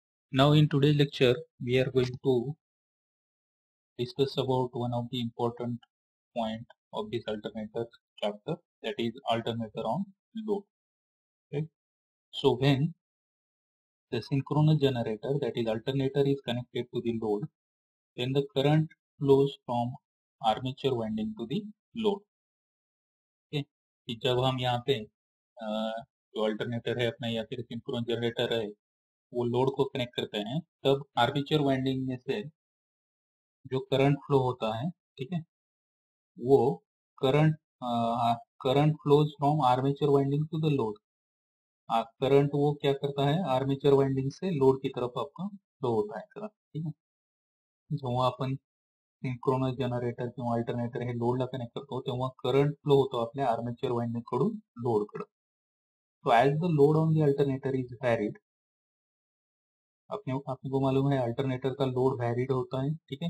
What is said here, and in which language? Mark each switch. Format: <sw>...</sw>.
<en>Now in today's lecture, we are going to discuss about one of the important point of this alternator chapter, that is alternator on load. Okay. So when the synchronous generator, that is alternator, is connected to the load, then the current flows from armature winding to the load. Okay.</en> <hi>जब हम यहाँ पे जो alternator है अपना या फिर synchronous generator है वो load को connect करते हैं, तब armature winding में से जो current flow होता है, ठीक है, वो current</hi> <en>current flows from armature winding to the load.</en> <hi>Current वो क्या करता है, आर्मेचर वाइंडिंग से लोड की तरफ आपका फ्लो होता है करंट, ठीक है.</hi> <mr>जेव्हा आपण सिंक्रोनस जनरेटर किंवा अल्टरनेटर हे लोडला कनेक्ट करतो तेव्हा करंट फ्लो होतो आपल्या आर्मेचर वाइंडिंग कडून लोड कडे.</mr> <en>so as the load on the alternator is varied,</en> <hi>आपको मालूम है अल्टरनेटर का लोड व्हॅरीड होता है, ठीक है.</hi>